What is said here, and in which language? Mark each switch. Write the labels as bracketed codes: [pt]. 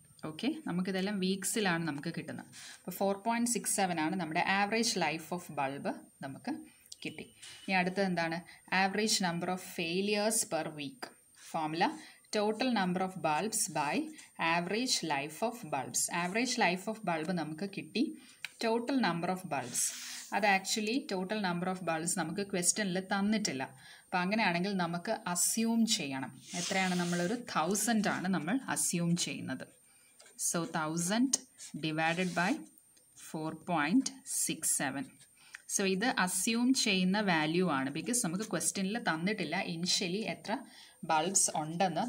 [ml] Okay, നമുക്കിതെല്ലാം വീക്സിലാണ് നമുക്ക് കിട്ടുന്നത്. അപ്പോൾ 4.67 ആണ് നമ്മുടെ ആവറേജ് ലൈഫ് ഓഫ് ബൾബ് നമുക്ക് കിട്ടി. ഇനി അടുത്തത് എന്താണ്? [en] Average number of failures per week formula. Total number of bulbs by average life of bulbs. Average life of bulb [ml] നമുക്ക് കിട്ടി. [en] Total number of bulbs, [ml] അത് actually [en] total number of bulbs [ml] നമുക്ക് ക്വസ്റ്റ്യനിൽ തന്നിട്ടില്ല. അപ്പോൾ അങ്ങനെയാണെങ്കിൽ നമുക്ക് അസ്യൂം ചെയ്യണം എത്രയാണ്. നമ്മളൊരു 1000 ആണ് നമ്മൾ അസ്യൂം ചെയ്യുന്നത്. [en] So 1000 ÷ 4.67. [ml] സോ ഇത് അസ്യൂം ചെയ്യുന്ന വാല്യൂ ആണ്, ബിക്കോസ് നമുക്ക് ക്വസ്റ്റ്യനിൽ തന്നിട്ടില്ല ഇനിഷ്യലി എത്ര ബൾബ്സ് ഉണ്ടെന്ന്.